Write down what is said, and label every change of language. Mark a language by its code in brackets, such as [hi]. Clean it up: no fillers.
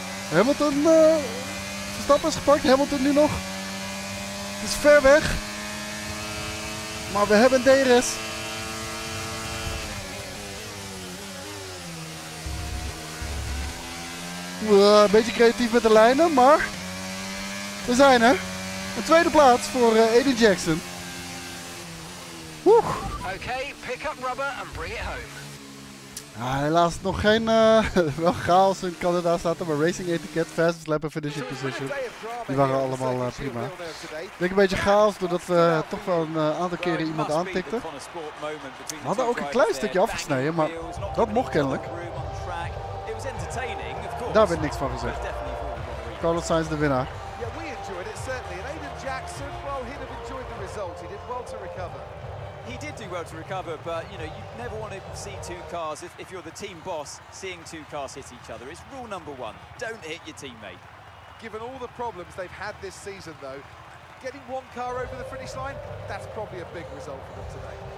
[nl] Hamilton. Zijn stap is gepakt. Hamilton nu nog. Het is ver weg. Maar we hebben DRS. Een beetje creatief met de lijnen, maar we zijn er. Een tweede plaats voor Aiden Jackson. [en] Oké, okay, pick up rubber and bring it home. [nl] Ah, helaas nog geen wel chaos in Canada staat er, maar racing etiket, [en] fastest lap and finishing position. [nl] Die waren allemaal prima. Ik denk een beetje chaos doordat we toch wel een aantal keren iemand aantikten. We hadden ook een klein stukje afgesneden, maar dat mocht kennelijk. Daar werd niks van gezegd. Carlos Sainz de winnaar. [en] Ja, we enjoyed it certainly. And Aiden Jackson, well, he'd have enjoyed the result. He did well to recover. He did do well to recover, but you know, you never want to see two cars, if you're the team boss, seeing two cars hit each other. It's rule number one. Don't hit your teammate. Given all the problems they've had this season, though, getting one car over the finish line, that's probably a big result for them today.